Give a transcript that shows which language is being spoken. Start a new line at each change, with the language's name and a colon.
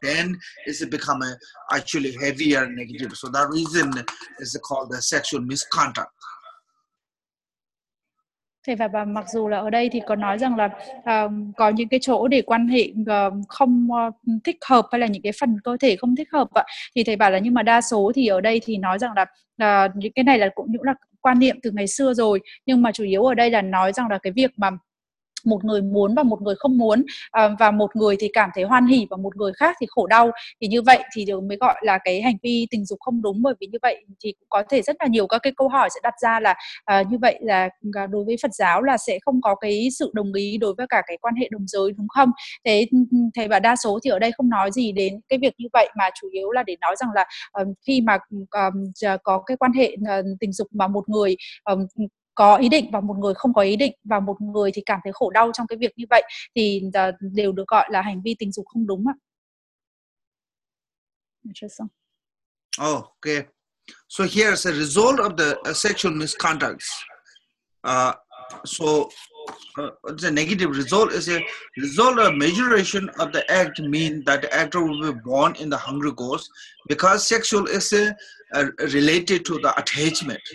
English: Then it's become actually heavier negative. So that reason is called the sexual misconduct.
Vietnamese: Thế và mặc dù là ở đây thì có nói rằng là có những cái chỗ để quan hệ không thích hợp hay là những cái phần cơ thể không thích hợp ạ, thì thầy bảo là nhưng mà đa số thì ở đây thì nói rằng là những cái này là cũng là quan niệm từ ngày xưa rồi, nhưng mà chủ yếu ở đây là nói rằng là cái việc mà một người muốn và một người không muốn, và một người thì cảm thấy hoan hỉ và một người khác thì khổ đau, thì như vậy thì mới gọi là cái hành vi tình dục không đúng. Bởi vì như vậy thì có thể rất là nhiều các cái câu hỏi sẽ đặt ra là như vậy là đối với Phật giáo là sẽ không có cái sự đồng ý đối với cả cái quan hệ đồng giới đúng không? Thế thầy bảo đa số thì ở đây không nói gì đến cái việc như vậy, mà chủ yếu là để nói rằng là khi mà có cái quan hệ tình dục mà một người có ý định và một người không có ý định, và một người thì cảm thấy khổ đau trong cái việc như vậy, thì đều được gọi là hành vi tình dục không đúng ạ.
English: Okay. So here is the result of the sexual misconduct. So The negative result is a result of maturation of the act mean that the actor will be born in the hungry ghost because sexual is related to the attachment.